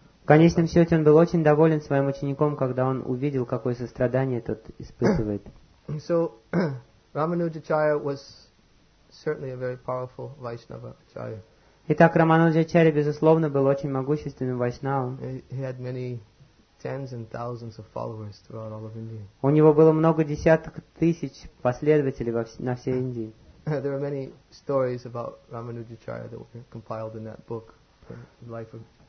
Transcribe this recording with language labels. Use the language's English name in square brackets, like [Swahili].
[Russian] В конечном счете он был очень доволен своим учеником, когда он увидел, какое сострадание тот испытывает. [English] So, Рамануджачарья was certainly a very powerful Vaishnava Acharya. [Russian] Итак, Рамануджачарья, безусловно, был очень могущественным вайшнавом. [English] He had many tens and thousands of followers throughout all of India. [Russian] У него было много десяток тысяч последователей на всей Индии. [English] There are many stories about Рамануджачарья that were compiled in that book, the life of.